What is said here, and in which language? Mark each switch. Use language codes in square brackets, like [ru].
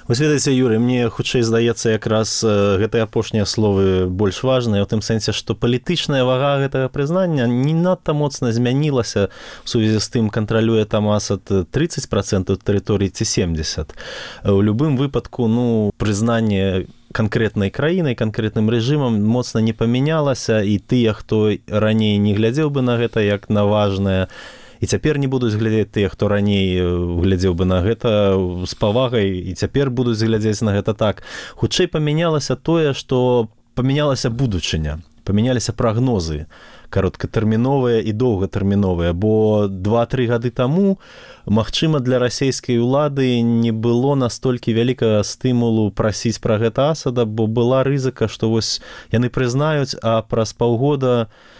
[be] Вось ведаеце, Юрій, мне хутчэй здаецца якраз гэтыя апошнія словы больш важныя, у тым сэнсе, што палітычная вага гэтага прызнання не надта моцна змянілася ў сувязі з тым, кантралюе там Асад 30% тэрыторыі ці 70%. [ru] У любым выпадку, ну, прызнанне конкретной краиной, конкретным режимом моцно не поменялось, и те, кто ранее не глядел бы на это, как на важное, и теперь не будут глядеть те, кто ранее глядел бы на это с повагой, и теперь будут глядеть на это так. Худшей поменялось то, что поменялось будущее, поменялись прогнозы, короткотерминовые и долготерминовые, [be] бо 2-3 года тому магчыма для расійскай улады не было настолькі вялікага стымулу прасіць пра гэта Асада, бо была рызыка, што вось яны прызнаюць, а праз паўгода